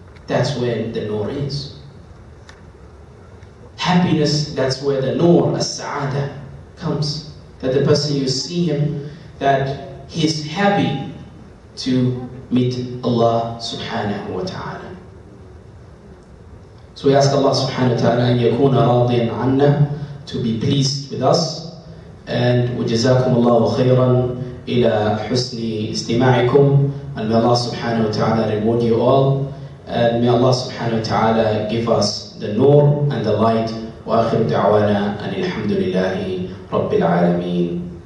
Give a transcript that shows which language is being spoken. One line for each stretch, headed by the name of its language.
English: That's where the nur is. Happiness, that's where the nur, as-sa'ada, comes. That the person, you see him, that he's happy to meet Allah subhanahu wa ta'ala. So we ask Allah subhanahu wa ta'ala
Arabic: an yakuna radiyan anna,
English: to be pleased with us. And
Arabic: وجزاكم الله خيرا إلى حسن استماعكم.
English: And may Allah subhanahu wa ta'ala reward you all. And may Allah subhanahu wa ta'ala give us the nur and the light.
Arabic: وآخر دعوانا أن الحمد لله رب العالمين.